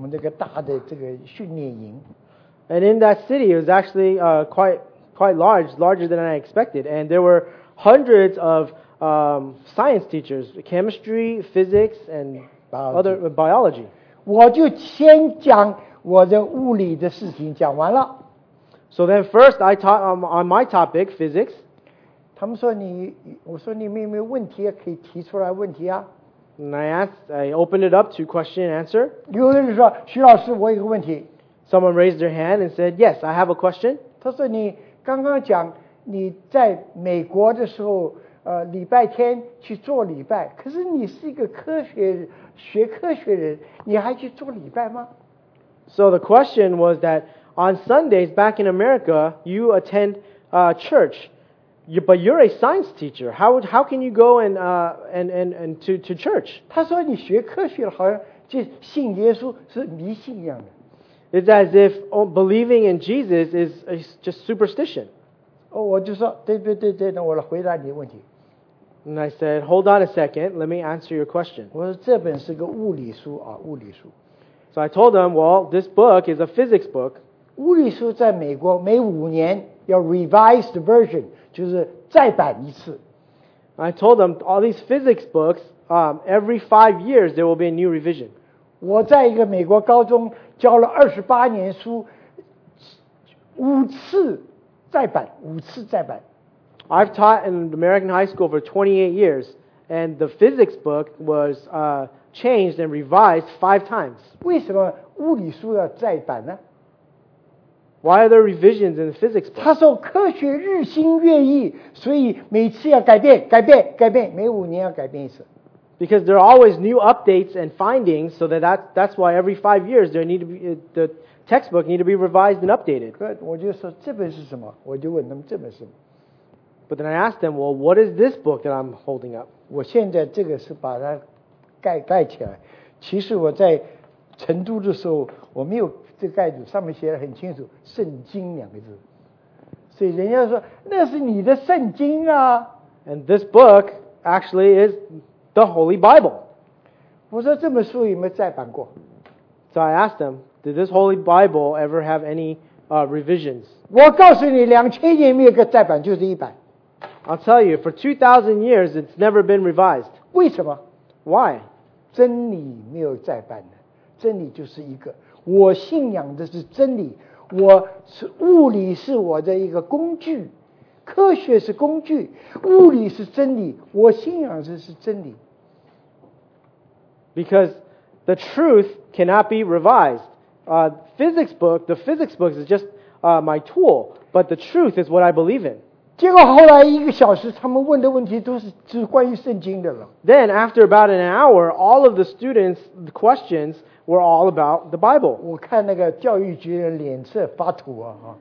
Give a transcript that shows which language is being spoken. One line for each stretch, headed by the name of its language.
Chinese: 重庆比成都小好多，对不起啊，人少好多，啊，那个成都有200多个物理老师、化学老师、生物老师来上我们这个大的这个训练营。
English: And in that city, it was actually quite large, larger than I expected. And there were hundreds of science teachers, chemistry, physics, and biology.
Chinese: 我就先讲我的物理的事情，讲完了。
English: So then first, I taught on my topic, physics.
Chinese: 他们说你，我说你们有没有问题可以提出来问题啊。
English: And I opened it up to question and answer.
Chinese: 有人说，徐老师，我有个问题。
English: Someone raised their hand and said, yes, I have a question.
Chinese: 他说你刚刚讲你在美国的时候礼拜天去做礼拜，可是你是一个科学学科学人，你还去做礼拜吗？
English: So the question was that on Sundays back in America, you attend church, but you're a science teacher. How can you go and to church?
Chinese: 他说你学科学了，好像就信耶稣是迷信一样的。
English: It's as if believing in Jesus is just superstition.
Chinese: 我就说对对对对，那我来回答你的问题。
English: And I said, hold on a second, let me answer your question.
Chinese: 我说这本是个物理书啊，物理书。
English: So I told him, well, this book is a physics book.
Chinese: 物理书在美国每五年要
English: revised version,
Chinese: 就是再版一次。
English: I told him, all these physics books, every 5 years there will be a new revision.
Chinese: 我在一个美国高中教了二十八年书，五次再版，五次再版。
English: I've taught in American high school for 28 years, and the physics book was changed and revised 5 times.
Chinese: 为什么物理书要再版呢？
English: Why are there revisions in the physics book?
Chinese: 他说科学日新月异，所以每次要改变，改变，改变，每五年要改变一次。
English: Because there are always new updates and findings, so that's why every 5 years there need to be, the textbook need to be revised and updated. Good.
Chinese: 我就说这本是什么？我就问他们这本是什么。
English: But then I asked them, well, what is this book that I'm holding up?
Chinese: 我现在这个是把它盖起来。其实我在成都的时候，我没有这个盖子，上面写的很清楚，圣经两个字。所以人家说那是你的圣经啊。
English: And this book actually is the Holy Bible.
Chinese: 我说这本书有没有再版过？
English: So I asked them, did this Holy Bible ever have any revisions?
Chinese: 我告诉你，两千年没有个再版，就是一版。
English: I'll tell you, for 2,000 years, it's never been revised.
Chinese: 为什么？
English: Why?
Chinese: 真理没有再版的，真理就是一个。我信仰的是真理，我是物理是我的一个工具，科学是工具，物理是真理，我信仰的是真理。
English: Because the truth cannot be revised. Physics book, the physics book is just my tool, but the truth is what I believe in.
Chinese: 结果后来一个小时，他们问的问题都是只关于圣经的了。
English: Then after about an hour, all of the students' questions were all about the Bible.
Chinese: 我看那个教育局的脸色发土啊。